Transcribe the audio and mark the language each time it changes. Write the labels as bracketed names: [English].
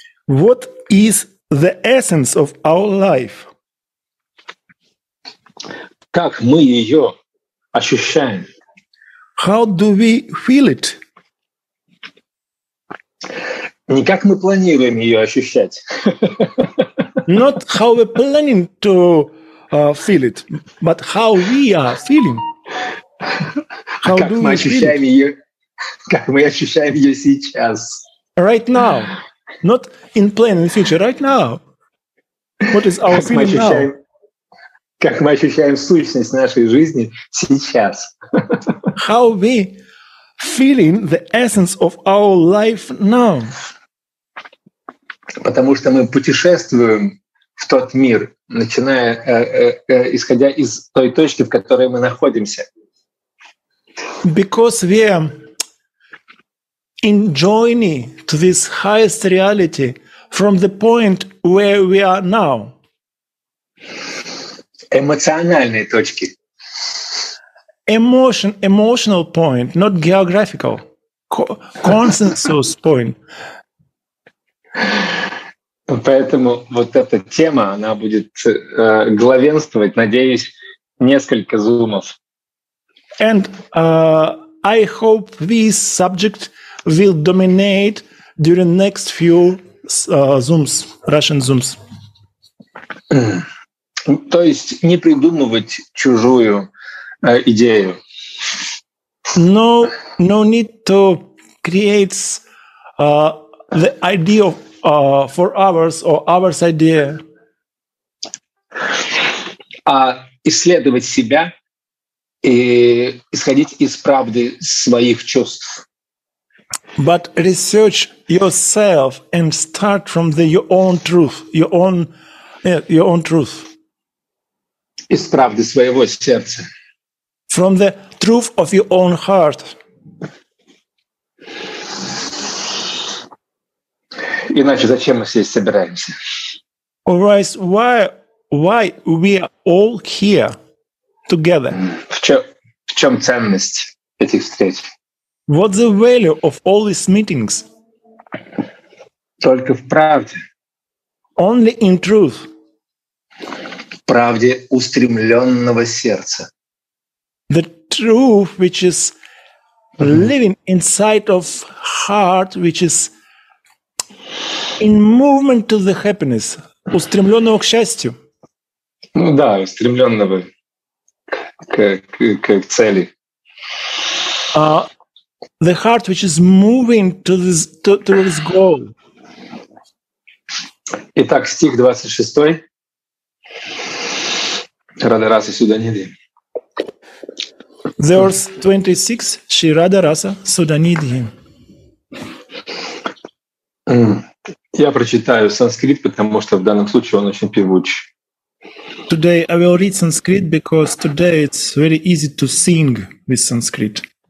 [English] What is the essence of our life? [Russian] Как мы ее ощущаем? [English] How do we feel it? [Russian] Не как мы планируем ее ощущать. [English] Not how we planning to feel it, but how we are feeling. How как do мы ощущаем feel ее? [Russian] Как мы ощущаем ее сейчас? [English] Right now, not in plan in future. Right now, what is our feeling now? [Russian] Как мы ощущаем сущность нашей жизни сейчас? [English] How we feeling the essence of our life now? [Russian] Потому что мы путешествуем в тот мир, начиная исходя из той точки, в которой мы находимся. [English] Because we are journey to this highest reality from the point where we are now. [Russian] Эмоциональные точки. [English] Emotional point, not geographical. Consensus point. [Russian] Поэтому вот эта тема, она будет главенствовать, надеюсь, несколько зумов. [English] And I hope this subject will dominate during next few zooms, Russian zooms. [Russian] То есть не придумывать чужую идею. [English] No need to create the idea of for ours or ours idea. [Russian] А исследовать себя и исходить из правды своих чувств. [English] But research yourself and start from the your own truth, your own truth. [Russian] Из правды своего сердца. [English] From the truth of your own heart. [Russian] Иначе зачем мы здесь собираемся? [English] Alright, why we are all here together? [Russian] В чем ценность этих встреч? [English] What's the value of all these meetings? [Russian] Только в правде. [English] Only in truth. [Russian] В правде устремленного сердца. [English] The truth which is living inside of heart, which is in movement to the happiness, [Russian] устремленного к счастью. Ну да, устремленного к цели. [English] The heart which is moving to this, to this goal. [Russian] Итак, стих 26. Радараса Суданиди. [English] Verse 26, Shri Radharasa Sudanidhi. [Russian] Я прочитаю санскрит, потому что в данном случае он очень певуч. [English] Today I will read Sanskrit because today it's very easy to sing with Sanskrit.